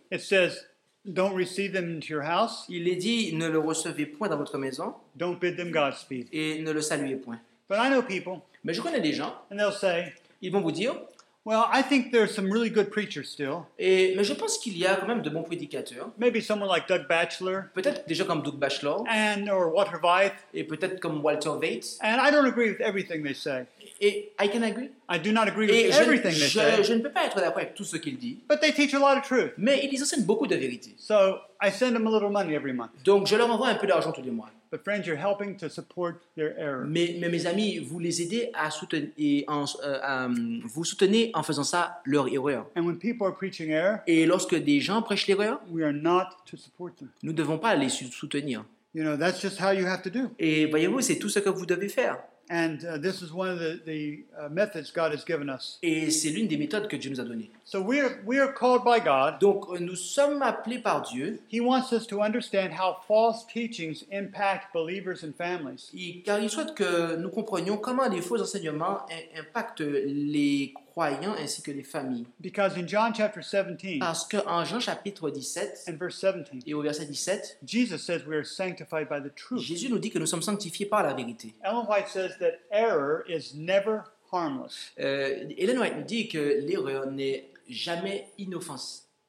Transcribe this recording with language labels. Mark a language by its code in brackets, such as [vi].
[en] it says, don't receive them into your house. [fr] Il est dit, ne le recevez point dans votre maison. [en] Don't bid them Godspeed. [fr] Et ne le saluez point. [en] But I know people. [fr] Mais je connais des gens. [en] And they'll say, [fr] ils vont vous dire, [en] well, I think there are some really good preachers still. [fr] Mais je pense qu'il y a quand même de bons prédicateurs. [en] Maybe someone like Doug Batchelor. [fr] Peut-être déjà comme Doug Batchelor. [en] And or Walter Veith. [fr] Et peut-être comme Walter Veith. [en] And I don't agree with everything they say. Et I can agree. I do not agree with everything they say. [fr] Je ne peux pas être d'accord avec tout ce qu'ils disent. [en] But they teach a lot of truth. [fr] Mais ils enseignent beaucoup de vérité. [en] So I send them a little money every month. [fr] Donc je leur envoie un peu d'argent tous les mois. [en] But friends, you're helping to support their error. [fr] Mais mes amis, vous les aidez à soutenir et vous soutenez en faisant ça leur erreur. [en] And when people are preaching error, [fr] et lorsque des gens prêchent l'erreur, [en] we are not to support them. [fr] Nous ne devons pas les soutenir. [en] You know, that's just how you have to do. [fr] Et voyez-vous, c'est tout ce que vous devez faire. [en] And this is one of the methods God has given us. [fr] Et c'est l'une des méthodes que Dieu nous a donné. [en] So we are called by God. [fr] Donc nous sommes appelés par Dieu. [en] He wants us to understand how false teachings impact believers and families. [fr] Car il souhaite que nous comprenions comment les faux enseignements impactent les croyants ainsi que les familles. [en] Because in John chapter 17. [fr] Parce que en Jean chapitre 17. [en] And verse 17. [fr] Et au verset 17. [en] Jesus says we are sanctified by the truth. [fr] Jésus nous dit que nous sommes sanctifiés par la vérité. [en] Ellen White says that error is never harmless. [fr] Ellen White dit que l'erreur n'est jamais inoffensive.